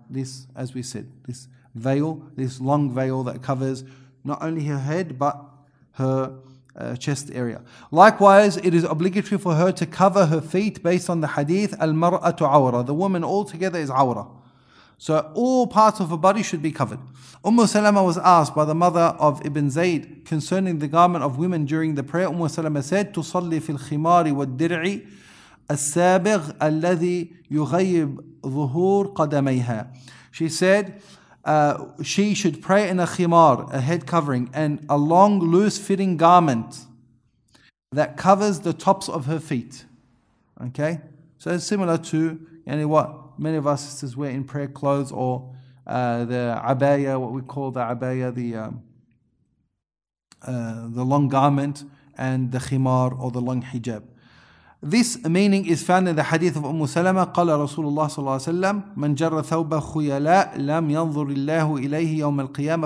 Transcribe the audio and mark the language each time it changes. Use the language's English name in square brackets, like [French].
[English] This, as we said, this veil, this long veil that covers not only her head but her chest area. Likewise, it is obligatory for her to cover her feet based on the hadith, [Arabic] al-mar'atu awra. [English] The woman altogether is awra. So all parts of her body should be covered. Umm Salama was asked by the mother of Ibn Zayd concerning the garment of women during the prayer. Umm Salama said, [Arabic] تصلي في الخمار والدرعي السابغ الذي يغيب ظهور قدميها. [English] She said, she should pray in a khimar, a head covering, and a long, loose-fitting garment that covers the tops of her feet. Okay? So it's similar to what many of our sisters wear in prayer clothes, or the abaya, what we call the abaya, the long garment, and the khimar, or the long hijab. This meaning is found in the hadith of Umm Salama. [Arabic] قال رسول الله صلى الله عليه وسلم من جر ثوب خيلاء لم ينظر الله إليه يوم القيامة.